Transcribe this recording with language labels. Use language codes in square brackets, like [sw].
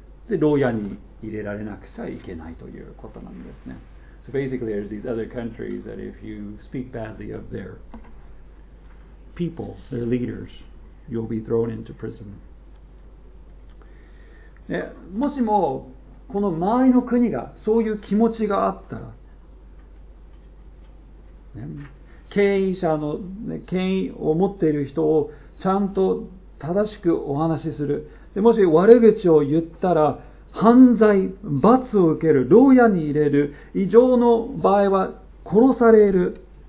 [ja] で、牢屋に入れられなくちゃいけないということなんですね。 [en] So basically, there's these other countries that if you speak badly of their people, their leaders, you'll be thrown into prison. [ja] もしもこの周りの国がそういう気持ちがあったら、ね、権威者の、ね、権威を持っている人をちゃんと正しくお話しする。でもし悪口を言ったら、犯罪、罰を受ける、牢屋に入れる、異常の場合は殺される。